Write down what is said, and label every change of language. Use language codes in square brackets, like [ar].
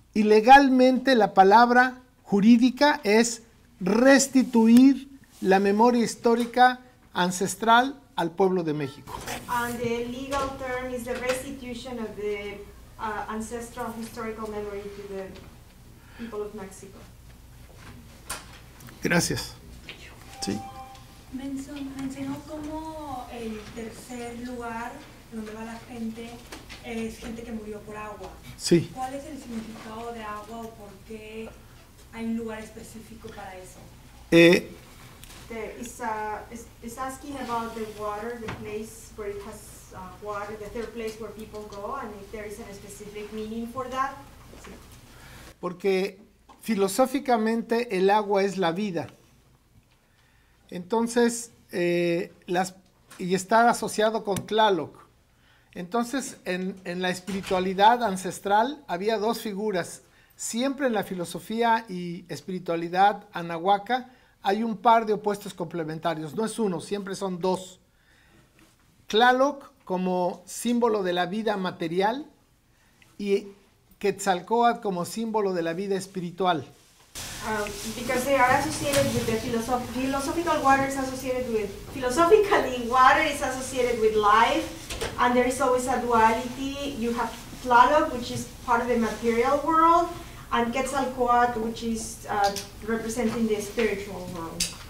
[es] Y legalmente la palabra jurídica es restituir la memoria histórica ancestral al pueblo de México. [en] And the legal term is the restitution of the ancestral historical memory to the people of Mexico. [es] Gracias. Sí. Mencionó cómo el tercer lugar donde va la gente es gente que murió por agua. Sí. ¿Cuál es el significado de agua o por qué hay un lugar específico para eso? [en] It's asking about the water, the place where it has water, the third place where people go, and if there is a specific meaning for that. [es] Porque filosóficamente el agua es la vida. Entonces, y está asociado con Tlaloc. Entonces, en la espiritualidad ancestral había dos figuras. Siempre en la filosofía y espiritualidad anahuaca hay un par de opuestos complementarios. No es uno, siempre son dos. Tlaloc como símbolo de la vida material y Quetzalcóatl como símbolo de la vida espiritual. [en] Because they are associated with the philosophical water is associated with, philosophically water is associated with life, and there is always a duality. You have Tlaloc, which is part of the material world, and Quetzalcoatl, which is representing the spiritual world.